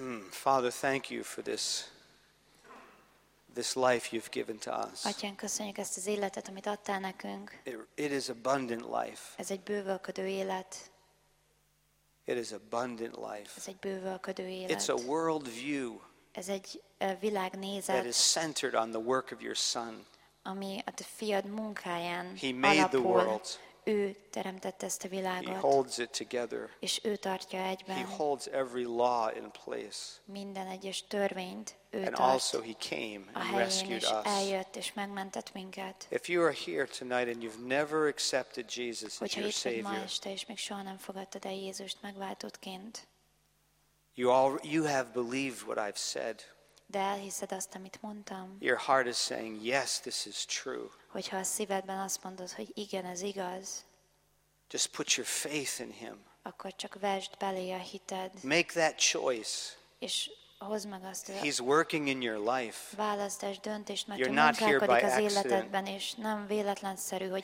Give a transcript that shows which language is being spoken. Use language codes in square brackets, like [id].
[en] Father, thank you for this life you've given to us. [hu] Atyán, köszönjük ezt az életet, amit adtál nekünk. [en] It is abundant life. [hu] Ez egy bővölködő élet. [en] It is abundant life. [hu] Ez egy bővölködő élet. [en] It's a world view. [hu] Ez egy világnézet. [en] That is centered on the work of your son. [hu] Ami a te fiad munkáján [en] He made the world. [hu] ő teremtette ezt a világot. [en] He holds it together. [hu] És ő tartja egyben. [en] He holds every law in place. [hu] Minden egyes törvényt ő tart. [en] And also he came and rescued us. [hu] Eljött és megmentett minket. [en] If you are here tonight and you've never accepted Jesus as your savior. [hu] Hogyha itt vagy ma este, még soha nem fogadtad el Jézust megváltottként. [en] You have believed what I've said. [hu] De elhiszed azt, amit mondtam. [en] Your heart is saying, yes, this is true. [hu] Hogyha a szívedben azt mondod, hogy igen, ez igaz. [en] Just put your faith in him. [hu] Akkor csak vesd belé a hited. [en] Make that choice. [hu] És hozd meg azt, hogy [en] he's working in your life. [hu] Választás, döntést, mert ő munkálkodik az életedben, és nem véletlenszerű, hogy